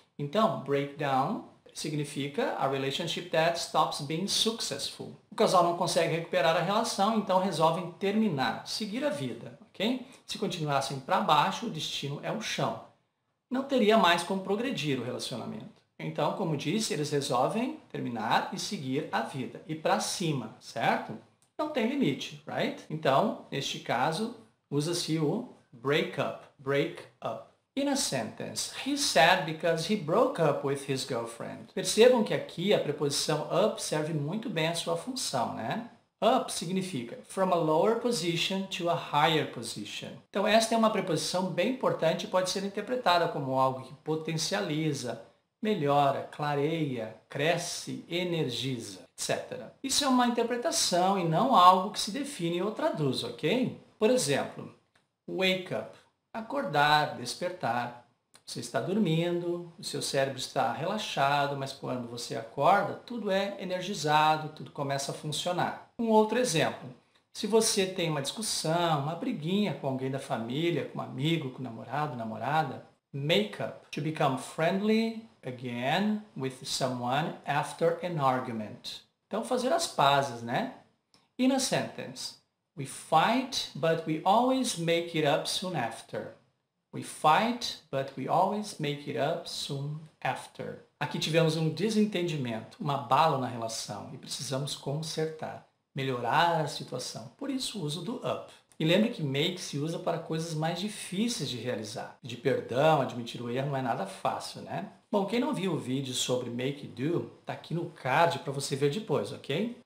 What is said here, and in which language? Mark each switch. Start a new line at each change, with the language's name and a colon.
Portuguese: Então, breakdown significa
English: a relationship that stops being successful.
Portuguese: O casal não consegue recuperar a relação, então resolvem terminar, seguir a vida, ok? Se continuassem para baixo, o destino é o chão. Não teria mais como progredir o relacionamento. Então, como disse, eles resolvem terminar e seguir a vida. E para cima, certo? Não tem limite, right? Então, neste caso, usa-se o break up. Break up.
English: In a sentence, he said because he broke up with his girlfriend.
Portuguese: Percebam que aqui a preposição up serve muito bem a sua função, né?
English: Up significa from a lower position to a higher position.
Portuguese: Então, esta é uma preposição bem importante e pode ser interpretada como algo que potencializa, melhora, clareia, cresce, energiza, etc. Isso é uma interpretação e não algo que se define ou traduz, ok? Por exemplo, wake up, acordar, despertar. Você está dormindo, o seu cérebro está relaxado, mas quando você acorda, tudo é energizado, tudo começa a funcionar. Um outro exemplo, se você tem uma discussão, uma briguinha com alguém da família, com um amigo, com um namorado, namorada, make up,
English: to become friendly again with someone after an argument.
Portuguese: Então, fazer as pazes, né?
English: In a sentence, we fight, but we always make it up soon after. We fight, but we always make it up soon after.
Portuguese: Aqui tivemos um desentendimento, uma bala na relação e precisamos consertar, melhorar a situação. Por isso, o uso do up. E lembre que make se usa para coisas mais difíceis de realizar. De perdão, admitir o erro não é nada fácil, né? Bom, quem não viu o vídeo sobre make do, tá aqui no card para você ver depois, ok?